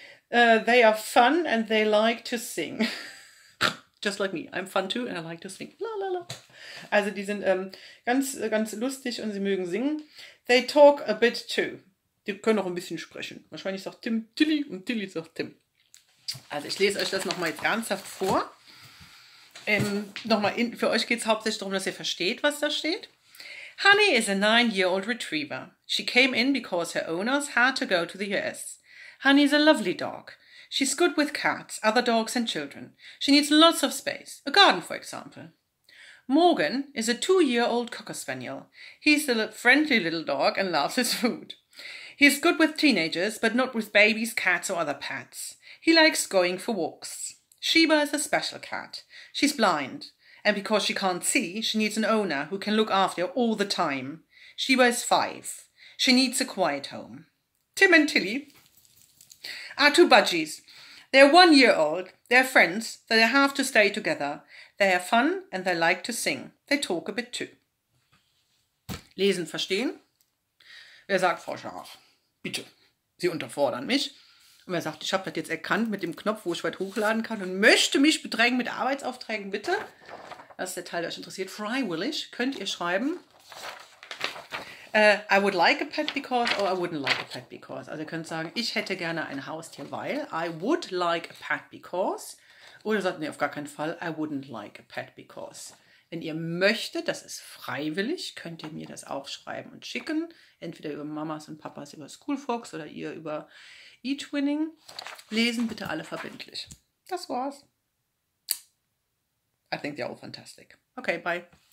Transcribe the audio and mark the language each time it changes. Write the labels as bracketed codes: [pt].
[en] They are fun and they like to sing. Just like me. I'm fun too and I like to sing. La la la. [de] Also die sind ganz, ganz lustig und sie mögen singen. [en] They talk a bit too. [de] Die können auch ein bisschen sprechen. Wahrscheinlich sagt Tim Tilly und Tilly sagt Tim. Also ich lese euch das nochmal jetzt ernsthaft vor. Für euch geht es hauptsächlich darum, dass ihr versteht, was da steht. [en] Honey is a 9-year-old retriever. She came in because her owners had to go to the US. Honey is a lovely dog. She's good with cats, other dogs and children. She needs lots of space. A garden, for example. Morgan is a 2-year-old cocker spaniel. He's a friendly little dog and loves his food. He is good with teenagers, but not with babies, cats, or other pets. He likes going for walks. Sheba is a special cat. She's blind, and because she can't see, she needs an owner who can look after her all the time. Sheba is 5. She needs a quiet home. Tim and Tilly are 2 budgies. They're 1 year old. They're friends, so they have to stay together. They have fun, and they like to sing. They talk a bit too. [de] Lesen, verstehen? Wer sagt, Frau Scharf, bitte, Sie unterfordern mich. Und wer sagt, ich habe das jetzt erkannt mit dem Knopf, wo ich weit hochladen kann und möchte mich bedrängen mit Arbeitsaufträgen, bitte. Das ist der Teil, der euch interessiert. Freiwillig könnt ihr schreiben. [en] I would like a pet because or I wouldn't like a pet because. [de] Also ihr könnt sagen, ich hätte gerne ein Haustier, weil [en] I would like a pet because. [de] Oder ihr sagt, nee, auf gar keinen Fall, [en] I wouldn't like a pet because. [de] Wenn ihr möchtet, das ist freiwillig, könnt ihr mir das auch schreiben und schicken. Entweder über Mamas und Papas, über Schoolfox oder ihr über eTwinning. Lesen bitte alle verbindlich. Das war's. [en] I think they're all fantastic. Okay, bye.